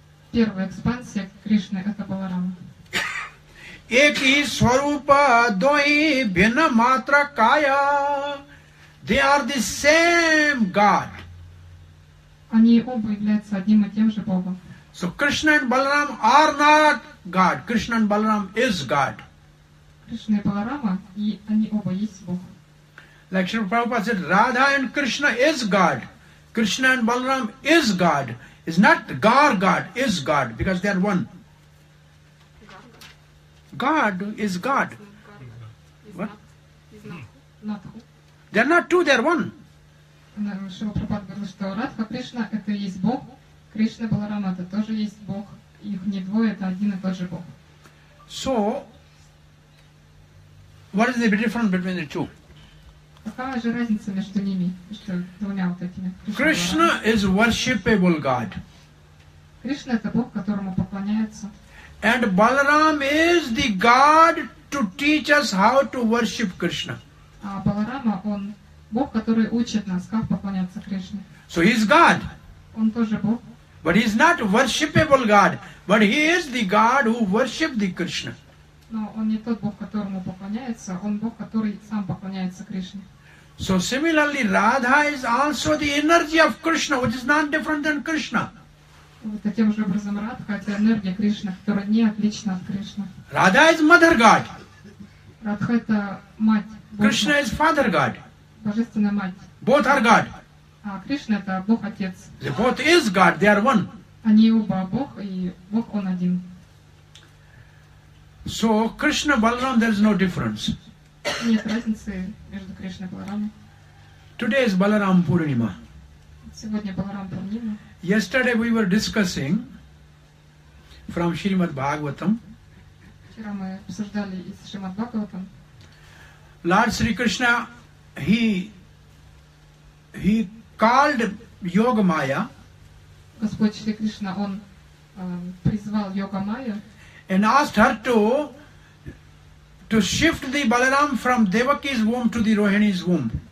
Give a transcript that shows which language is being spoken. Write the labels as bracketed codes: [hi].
[ru] Первая экспансия Кришны – это Баларама. [bn] Эки сварупа дохи бина матра кая [en] They are the same God. [ru] Они оба являются одним и тем же Богом. [en] So Krishna and Balaram are not God. Krishna and Balaram is God. [ru] Krishna и Balarama, и они оба есть Бог. [en] Like Shri Prabhupada said, Radha and Krishna is God. Krishna and Balaram is God. Is not God, God is God, because they are one. God is God. What? They are not two, they are one. [ru] Шрила Прабхупада говорил, что Радха Кришна – это есть Бог, Кришна Баларама – это тоже есть Бог, их не двое, это один и тот же Бог. [en] So, what is the difference between the two? [ru] Какая же разница между ними, между двумя вот этими? [en] Кришна is worshipable God. [ru] Кришна – это Бог, которому поклоняются. [en] And Balaram is the God to teach us how to worship Krishna. [ru] А Баларама, он Бог, который учит нас, как поклоняться Кришне. [en] So he is God. [ru] Он тоже Бог. [en] But he is not worshipable God. But he is the God who worship the Krishna. [ru] Но он не тот Бог, которому поклоняется, он Бог, который сам поклоняется Кришне. [en] So similarly, Radha is also the energy of Krishna, which is not different than Krishna. [ru] Вот таким же образом Радха – это энергия Кришны, которая не отлична от Кришны. [en] Radha is Mother God. [ru] Радха – это Мать [en] Божья. Krishna is Father God. [ru] Божественная Мать. [en] Both are God. [ru] А Кришна – это Бог Отец. [en] They both is God, they are one. [ru] Они оба Бог, и Бог – Он один. [en] So, Krishna Balaram, there is no difference. [ru] Нет разницы между Кришной и Баларамой. [en] Today is Balaram Purnima. [ru] Сегодня Баларам Пурнима. [en] Yesterday we were discussing from Srimad Bhagavatam. [ru] Вчера мы обсуждали из Srimad Bhagavatam. [en] Lord Sri Krishna, he called Yoga Maya. [ru] Господь Шри Кришна, он призвал Йога Майю. [en] And asked her to shift the Balaram from Devaki's womb to the Rohini's womb.